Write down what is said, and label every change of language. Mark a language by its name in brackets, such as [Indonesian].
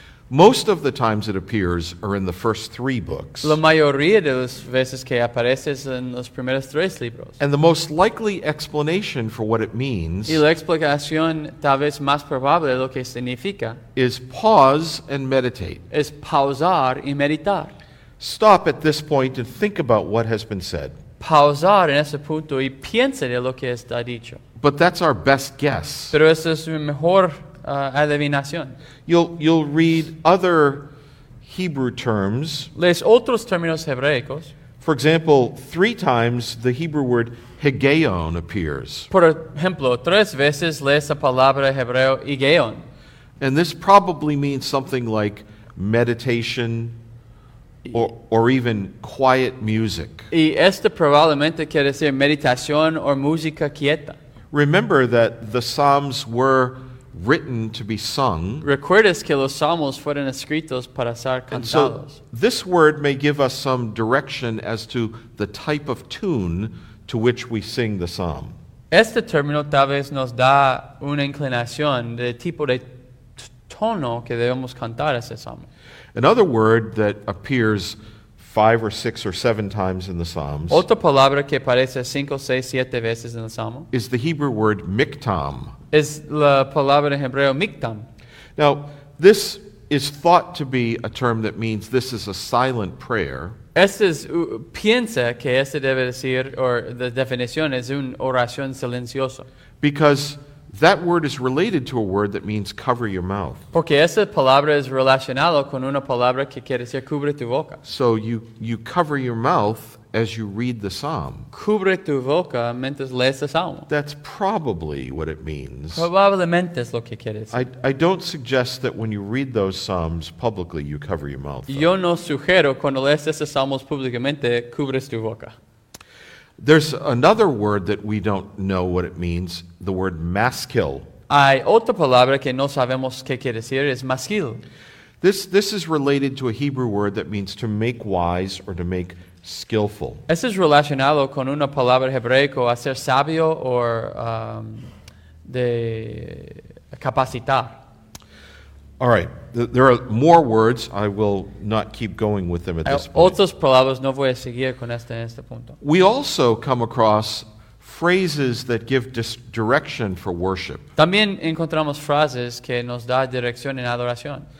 [English] Most of the times it appears are in the first three books. [Spanish] La mayoría de las veces que aparece es en los primeros tres libros. [English] And the most likely explanation for what it means. [Spanish] Y la explicación tal vez más probable de lo que significa. [English] Is pause and meditate. [Spanish] Es pausar y meditar. [English] Stop at this point and think about what has been said. [Spanish] Pausar en ese punto y piensa de lo que está dicho. [English] But that's our best guess. [Spanish] Pero eso es mi mejor adivinación. [English] You'll read other Hebrew terms. [Spanish] Lees otros términos hebraicos. [English] For example, three times the Hebrew word hegeon appears. [Spanish] Por ejemplo, tres veces lees la palabra hebreo hegeon. [English] And this probably means something like meditation or even quiet music. [Spanish] Y esto probablemente quiere decir meditación o música quieta. [English] Remember that the Psalms were written to be sung. [Spanish] Recuerdas que los salmos fueron escritos para ser cantados. [English] So this word may give us some direction as to the type of tune to which we sing the psalm. [Spanish] Este término tal vez nos da una inclinación de tipo de tono que debemos cantar ese salmo. [English] Another word that appears 5 or 6 or 7 times in the Psalms. [Spanish] Otra palabra que aparece 5, 6, 7 veces en el salmo. [English] Is the Hebrew word miktam. [Spanish] Es la palabra en hebreo miktam. [English] Now, this is thought to be a term that means this is a silent prayer. [Spanish] Este es piensa que este debe decir, [English] or the [Spanish] definición es una oración silenciosa. [English] Because that word is related to a word that means cover your mouth. [Spanish] Porque esa palabra es relacionada con una palabra que quiere decir cubre tu boca. [English] So you cover your mouth as you read the psalm. [Spanish] Cubre tu boca mientras lees el salmo. [English] That's probably what it means. [Spanish] Probablemente es lo que quiere decir. [English] I don't suggest that when you read those psalms publicly, you cover your mouth. [Spanish] Yo no sugiero cuando lees esos salmos públicamente, cubres tu boca. [English] There's another word that we don't know what it means, the word maskil. [Spanish] Hay otra palabra que no sabemos qué quiere decir, es maskil. [English] This is related to a Hebrew word that means to make wise or to make skillful. [Spanish] Esto es relacionado con una palabra hebraico, hacer sabio o de capacitar. [English] All right, there are more words. I will not keep going with them at this point. [Spanish] Otras palabras no voy a seguir con esta en este punto. [English] We also come across phrases that give direction for worship. [Spanish] También encontramos frases que nos da dirección en adoración.